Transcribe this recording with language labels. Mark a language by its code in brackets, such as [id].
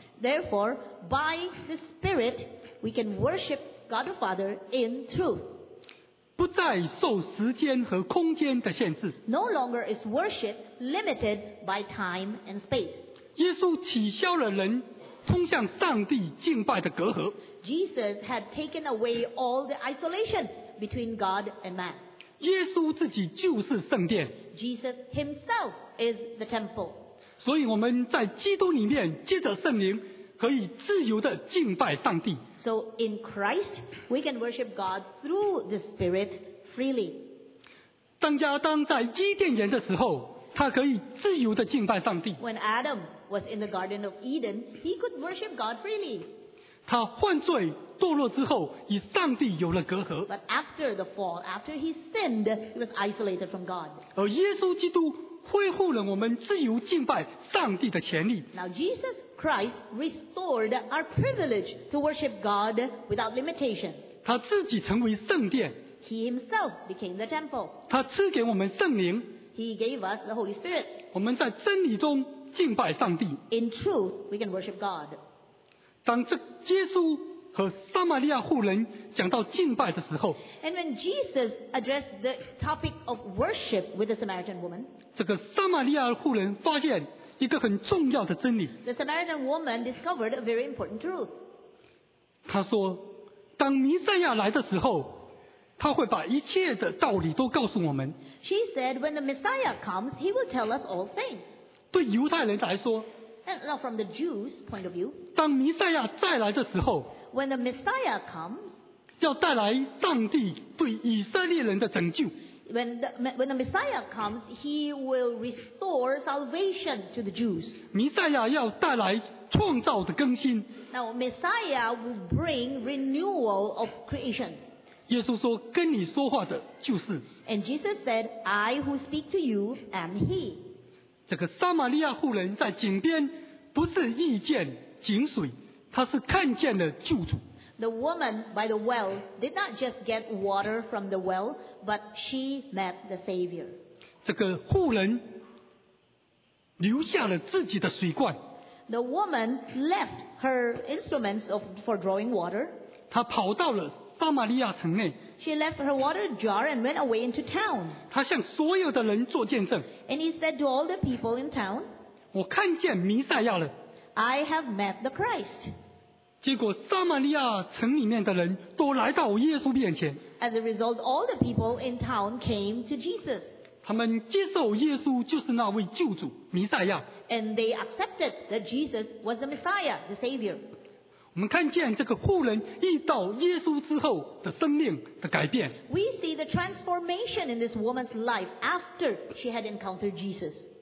[en] Therefore, by the Spirit, we can worship God the Father in truth. [zh] 不再受时间和空间的限制。 [en] No longer is worship limited by time and space. [zh] 耶稣取消了人通向上帝敬拜的隔阂。 [en] Jesus had taken away all the isolation between God and man. [zh] 耶稣自己就是圣殿。 [en] Jesus himself is the temple. [zh] 所以我们在基督里面借着圣灵可以自由地敬拜上帝。 [en] So in Christ, we can worship God through the Spirit freely. [zh] 当亚当在伊甸园的时候，他可以自由地敬拜上帝。 [en] When Adam was in the Garden of Eden, he could worship God freely. [zh] 他犯罪堕落之后，与上帝有了隔阂。 [en] But after the fall, after he sinned, he was isolated from God. [zh] 而耶稣基督恢复了我们自由敬拜上帝的权利。 [en] Now Jesus Christ restored our privilege to worship God without limitations. [zh] 他自己成为圣殿。 [en] He himself became the temple. [zh] 他赐给我们圣灵。 [en] He gave us the Holy Spirit. [zh] 我们在真理中敬拜上帝。 [en] In truth, we can worship God. [zh] 当这耶稣和撒玛利亚妇人讲到敬拜的时候， [en] And when Jesus addressed the topic of worship with the Samaritan woman, [zh] 这个撒玛利亚妇人发现一个很重要的真理。 [en] The Samaritan woman discovered a very important truth. [zh] 她说，当弥赛亚来的时候，他会把一切的道理都告诉我们。 [en] She said, when the Messiah comes, he will tell us all things. [zh] 对犹太人来说， [en] And now from the Jews' point of view, [zh] 当弥赛亚再来的时候， [en] When the Messiah comes, [zh] 要带来上帝对以色列人的拯救。 [en] When the Messiah comes, he will restore salvation to the Jews. [zh] 弥赛亚要带来创造的更新。 [en] Now Messiah will bring renewal of creation. [zh] 耶稣说，跟你说话的就是。 [en] And Jesus said, I who speak to you am he. [zh] 这个撒玛利亚妇人在井边不是遇见井水。他是看见了救主。 [en] The woman by the well did not just get water from the well, but she met the Savior. [zh] 这个妇人留下了自己的水罐。 [en] The woman left her instruments for drawing water. [zh] 她跑到了撒玛利亚城内。 [en] She left her water jar and went away into town. [zh] 她向所有的人做见证。 [en] And he said to all the people in town, [zh] 我看见弥赛亚了。 [en] I have met the Christ. [zh] 结果撒玛利亚城里面的人都来到耶稣面前。 [en] As a result, all the people in town came to Jesus. [zh] 他们接受耶稣就是那位救主弥赛亚。 [en] And they accepted that Jesus was the Messiah, the Savior. [zh] 我们看见这个妇人遇到耶稣之后的生命的改变。 [en] We see the transformation in this woman's life after she had encountered Jesus.